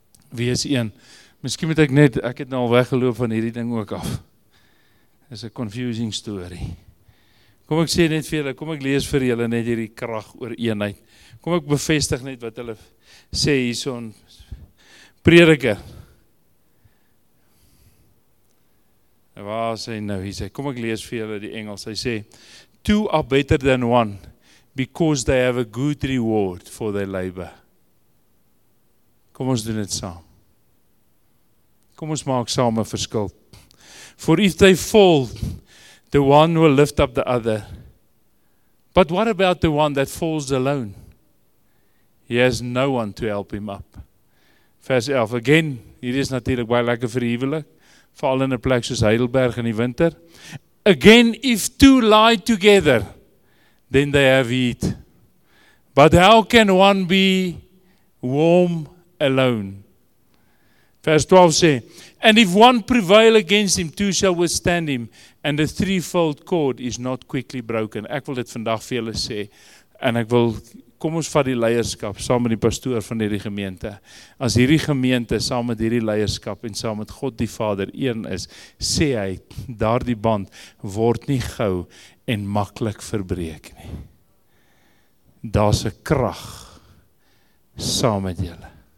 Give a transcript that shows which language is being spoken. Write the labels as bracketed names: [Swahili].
[Afrikaans] Miskien moet ek het nou al weggeloop van hierdie ding ook af. Is 'n confusing story. Kom ek sê net vir julle, kom ek lees vir julle net hierdie krag oor eenheid. Kom ek bevestig net wat hulle sê hierson Prediker. Waar is hy nou? Hy sê, kom ek lees vir julle die Engels. Hy sê, [English] 2 are better than 1 because they have a good reward for their labor. [Afrikaans] Kom ons doen dit saam. Kom ons maak saam 'n verskil. [English] For if they fall, the one will lift up the other. But what about the one that falls alone? He has no one to help him up. [Afrikaans] Vers 11. Again, hier is natuurlik baie lekker vir die huwelik. Val in 'n plek soos Heidelberg in die winter. [English] Again, if 2 lie together, then they have heat. But how can one be warm alone? [Afrikaans] Vers 12 sê, [English] and if one prevail against him, 2 shall withstand him, and the 3-fold cord is not quickly broken. [Afrikaans] Ek wil dit vandag vir julle sê, en ek wil, kom ons vat die leierskap, saam met die pastoor van hierdie gemeente. As hierdie gemeente, saam met hierdie leierskap, en saam met God die Vader, 1 is, sê hy, daardie band, word nie gauw en maklik verbreek nie. Daar's 'n krag, saam met julle.